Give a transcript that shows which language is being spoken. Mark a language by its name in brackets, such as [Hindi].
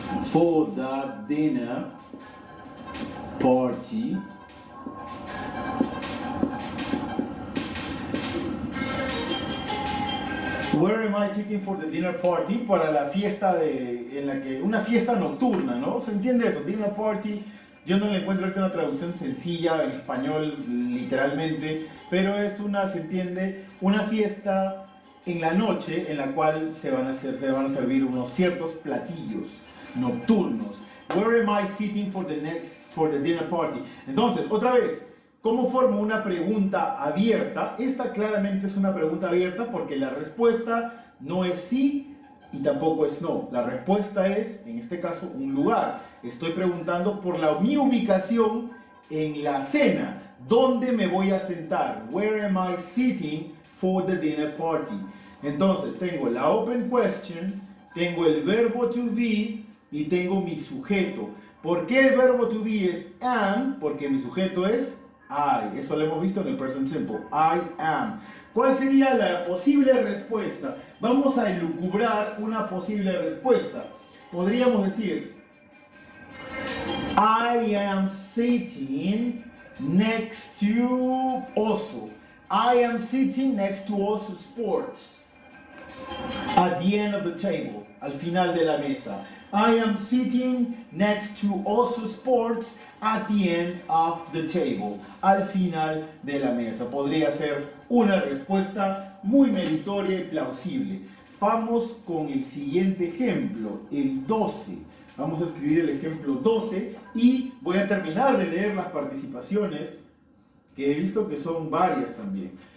[English] No for the dinner party. Where am I seeking for the dinner party? [Spanish] Para la fiesta de, en la que, una fiesta nocturna, ¿no? ¿Se entiende eso? Dinner party. Yo no le encuentro ahorita una traducción sencilla en español, literalmente, pero es una, se entiende, una fiesta en la noche en la cual se van a hacer, se van a servir unos ciertos platillos nocturnos. [English] Where am I sitting for the next, for the dinner party? [Spanish] Entonces, otra vez, ¿cómo formo una pregunta abierta? Esta claramente es una pregunta abierta porque la respuesta no es sí y tampoco es no. La respuesta es, en este caso, un lugar. Estoy preguntando por la, mi ubicación en la cena. ¿Dónde me voy a sentar? [English] Where am I sitting for the dinner party? [Spanish] Entonces, tengo la open question, tengo el verbo to be y tengo mi sujeto. ¿Por qué el verbo to be es am? Porque mi sujeto es I. Eso lo hemos visto en el present simple. [English] I am. [Spanish] ¿Cuál sería la posible respuesta? Vamos a elucubrar una posible respuesta. Podríamos decir, [English] I am sitting next to Oso. I am sitting next to Oso Sports. At the end of the table. [Spanish] Al final de la mesa. [English] I am sitting next to Oso Sports at the end of the table. [Spanish] Al final de la mesa. Podría ser una respuesta muy meritoria y plausible. Vamos con el siguiente ejemplo, el 12. Vamos a escribir el ejemplo 12 y voy a terminar de leer las participaciones, que he visto que son varias también.